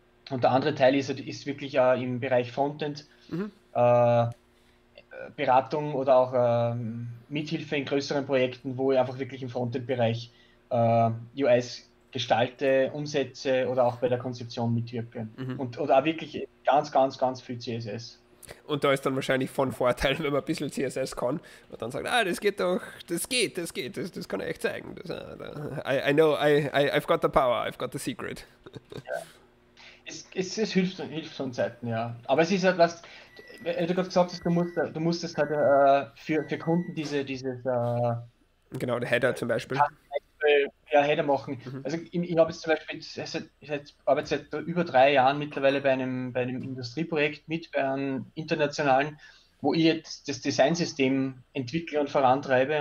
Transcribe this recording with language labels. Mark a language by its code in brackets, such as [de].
[de] Und der andere Teil ist wirklich im Bereich Frontend, Beratung oder auch Mithilfe in größeren Projekten, wo ich einfach wirklich im Frontend-Bereich UIs gestalte, umsetze oder auch bei der Konzeption mitwirke. Oder auch wirklich ganz, ganz, ganz viel CSS. Und da ist dann wahrscheinlich von Vorteil, wenn man ein bisschen CSS kann und dann sagt, ah, das geht doch, das geht, das geht, das kann ich echt zeigen. [en] I know, I've got the power, I've got the secret. [de] Es hilft von Zeiten, ja. Aber es ist halt was, du gerade gesagt hast, du musstest halt für Kunden Genau, der Header zum Beispiel. Header machen. Also ich habe jetzt zum Beispiel arbeite seit über 3 Jahren mittlerweile bei einem Industrieprojekt mit, bei einem internationalen, wo ich jetzt das Designsystem entwickle und vorantreibe.